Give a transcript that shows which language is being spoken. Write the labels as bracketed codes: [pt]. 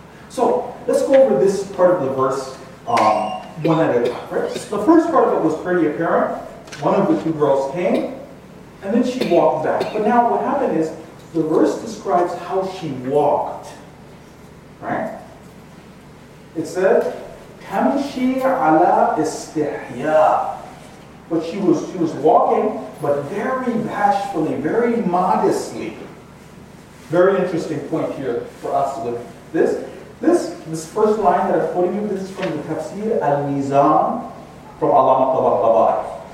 [en] So, let's go over this part of the verse one at a time. Right? The first part of it was pretty apparent. One of the two girls came, and then she walked back. But now what happened is, the verse describes how she walked. Right? [ar] It said, تَمْشِي عَلَىٰ إِسْتِحْيَىٰ. [en] But she was walking, but very bashfully, very modestly. Very interesting point here for us with this. This first line that I'm quoting you, this is from the Tafsir al-Nizam from Allama Tabarabai.